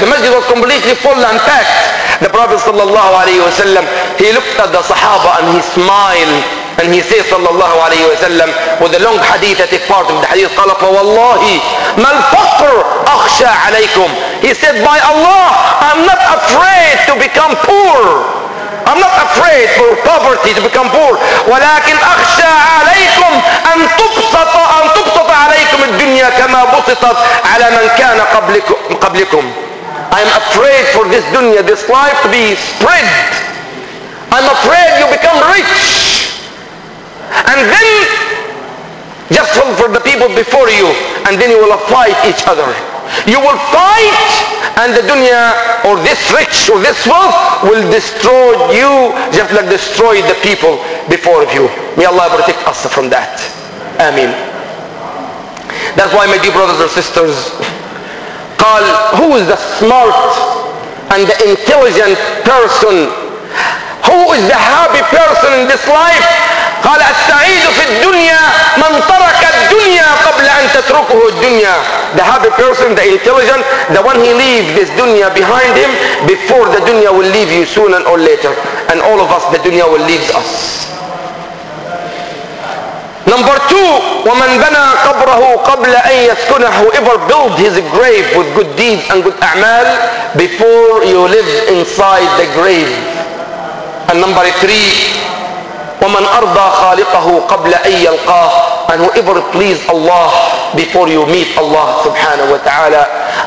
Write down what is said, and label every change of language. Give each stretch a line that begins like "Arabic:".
English: The masjid was completely full and packed. The Prophet sallallahu alayhi wa sallam, he looked at the Sahaba and he smiled. And he says sallallahu alayhi wa sallam, with a long hadith at a part of the hadith,
Arabic: قال فوالله ما الفقر أخشى عليكم.
English: He said, by Allah, I'm not afraid to become poor. I'm not afraid for poverty to become poor.
Arabic: ولكن أخشى عليكم أن تبسط عليكم الدنيا كما بسطت على من كان قبلكم.
English: I'm afraid for this dunya, this life to be spread. I'm afraid you become rich. And then just hold for the people before you, and then you will fight each other. You will fight, and the dunya or this rich or this wealth will destroy you just like destroyed the people before you. May Allah protect us from that. Ameen. That's why, my dear brothers and sisters, قال, who is the smart and the intelligent person? Who is the happy person in this life?
Arabic: قال السعيد في الدنيا من ترك الدنيا قبل أن تتركه الدنيا.
English: The happy person, the intelligent, the one he leave this dunya behind him before the dunya will leave you sooner or later. And all of us, the dunya will leave us. Number two,
Arabic: ومن بنى قبره قبل أن يسكنه.
English: Whoever build his grave with good deeds and good أعمال before you live inside the grave. And number three,
Arabic: وَمَنْ أَرْضَى خَالِقَهُ قَبْلَ أَنْ يَلْقَاهُ.
English: And whoever please Allah before you meet Allah subhanahu wa ta'ala.